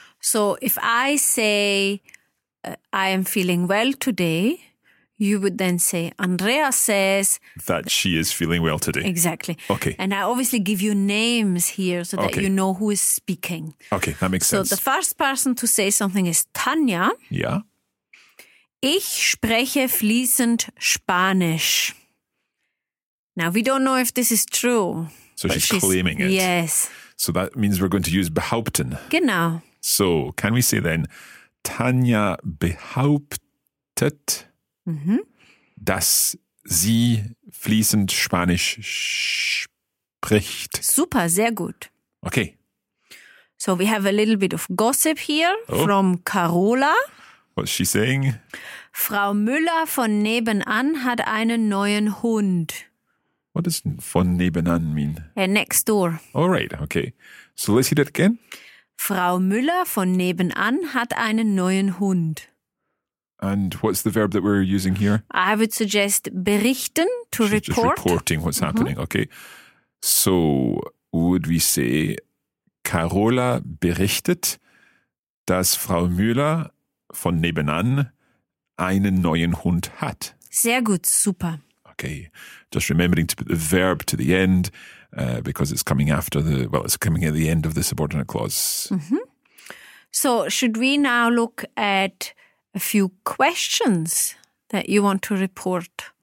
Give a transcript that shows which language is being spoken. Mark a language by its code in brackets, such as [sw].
[en] So if I say, I am feeling well today, you would then say, Andrea says... that she is feeling well today. Exactly. Okay. And I obviously give you names here so that you know who is speaking. Okay, that makes sense. So the first person to say something is Tanya. Yeah. [de] Ich spreche fließend Spanisch. [en] Now, we don't know if this is true. So she's claiming it. Yes. So that means we're going to use behaupten. [de] Genau. [en] So can we say then, [de] Tanya behauptet, dass sie fließend Spanisch spricht. Super, sehr gut. [en] Okay. So we have a little bit of gossip here from Carola. What's she saying? [de] Frau Müller von nebenan hat einen neuen Hund. [en] What does von nebenan mean? Next door. All right, okay. So let's hear that again. [de] Frau Müller von nebenan hat einen neuen Hund. [en] And what's the verb that we're using here? I would suggest berichten, to She's report. Just reporting what's happening, okay. So would we say, [de] Carola berichtet, dass Frau Müller von nebenan einen neuen Hund hat. Sehr gut, super. [en] Okay, just remembering to put the verb to the end because it's coming after the, well, it's coming at the end of the subordinate clause. Mm-hmm. So should we now look at a few questions that you want to report?